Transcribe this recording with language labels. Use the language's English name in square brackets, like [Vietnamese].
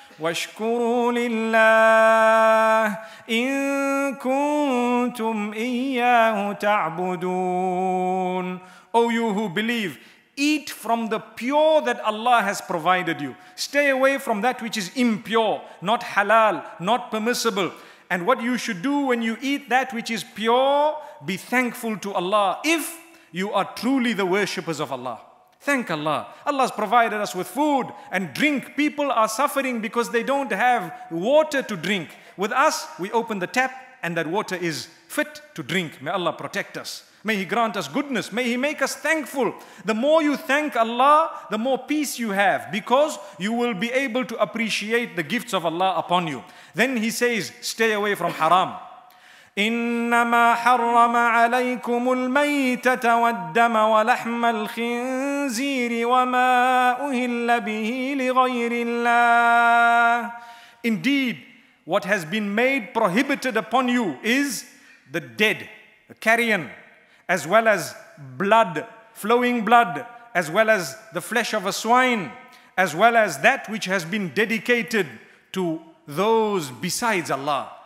[Arabic] واشكروا لله إن كنتم إياه تعبدون. [English] O you who believe, eat from the pure that Allah has provided you. Stay away from that which is impure, not halal, not permissible. And what you should do when you eat that which is pure, be thankful to Allah if you are truly the worshippers of Allah. Thank Allah. Allah has provided us with food and drink. People are suffering because they don't have water to drink. With us, we open the tap and that water is fit to drink. May Allah protect us. May He grant us goodness. May He make us thankful. The more you thank Allah, the more peace you have, because you will be able to appreciate the gifts of Allah upon you. Then He says, stay away from haram. [Arabic] إنما حرم عليكم الميتة والدم ولحم الخنزير وما أهل به لغير الله. [English] Indeed, what has been made prohibited upon you is the dead, the carrion, as well as blood, flowing blood, as well as the flesh of a swine, as well as that which has been dedicated to those besides Allah.